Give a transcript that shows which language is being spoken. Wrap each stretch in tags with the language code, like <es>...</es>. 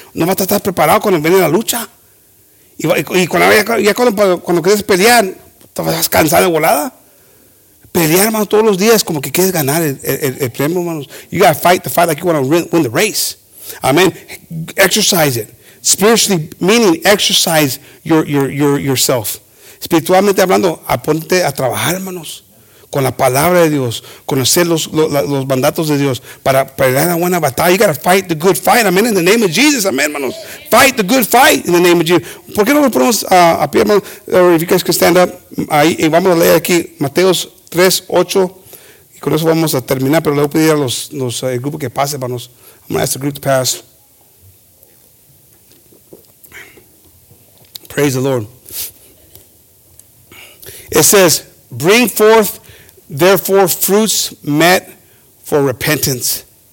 <es>No vas a estar preparado cuando viene la lucha. Y cuando quieres pelear, te vas cansado de volada. Pelear, hermanos, todos los días como que quieres ganar el premio, hermanos.</es> <en>You got to fight the fight like you want to win the race. Amen. Exercise it. Spiritually meaning exercise your yourself.</en> <es>Espiritualmente hablando, ponte a trabajar, hermanos, con la palabra de Dios, conocer los mandatos de Dios para pelear la buena batalla.</es> <en>You got to fight the good fight. Amen. In the name of Jesus. Amen, hermanos. Fight the good fight in the name of Jesus.</en> <es>¿Por qué no lo ponemos a pie, hermanos?</es> <en>Or if you guys can stand up.</en> <es>Ahí y vamos a leer aquí Mateos 3:8 y con eso vamos a terminar, pero le voy a pedir a los el grupo que pase, hermanos.</es> <en>I'm going to ask the group to pass. Praise the Lord. It says, bring forth, therefore, fruits met for repentance.</en>